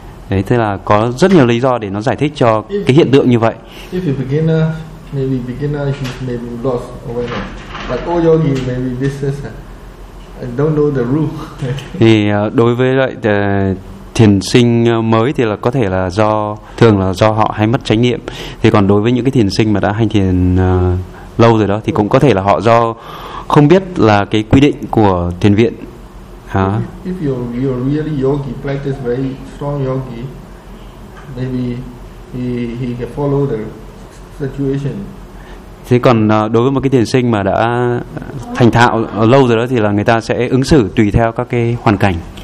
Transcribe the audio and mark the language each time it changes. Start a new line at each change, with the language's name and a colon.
Vietnamese: Đấy, thế là có rất nhiều lý do để nó giải thích cho cái hiện tượng như vậy.
English: If you beginner, maybe beginner, you maybe lost awareness. But all yogi, maybe this is, I don't know the rule.
Vietnamese: Thì đối với lại thiền sinh mới thì là có thể là do thường là do họ hay mất chánh niệm. Thì còn đối với những cái thiền sinh mà đã hành thiền lâu rồi đó thì cũng có thể là họ do không biết là cái quy định của thiền viện. Hả?
English: If you're really yogi, practice very strong yogi, maybe he can follow the situation.
Vietnamese: Thế còn đối với một cái thiền sinh mà đã thành thạo lâu rồi đó thì là người ta sẽ ứng xử tùy theo các cái hoàn cảnh.